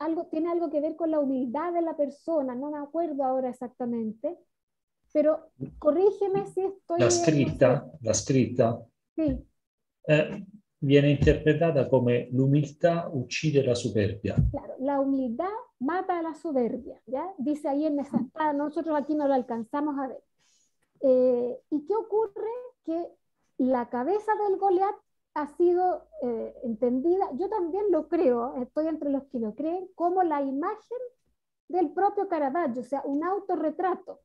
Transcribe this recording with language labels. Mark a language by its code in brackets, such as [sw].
[es] Tiene algo que ver con la humildad de la persona, no me acuerdo ahora exactamente, pero corrígeme si estoy... [it] La scritta. [es] Sí. [it] Viene interpretata come l'umiltà uccide la superbia. [es] Claro, la humildad mata a la soberbia, ¿ya? Dice ahí en esa espada, nosotros aquí no la alcanzamos a ver. ¿Y qué ocurre? Que la cabeza del Goliat ha sido entendida, yo también lo creo, estoy entre los que lo creen, como la imagen del propio Caravaggio, o sea, un autorretrato.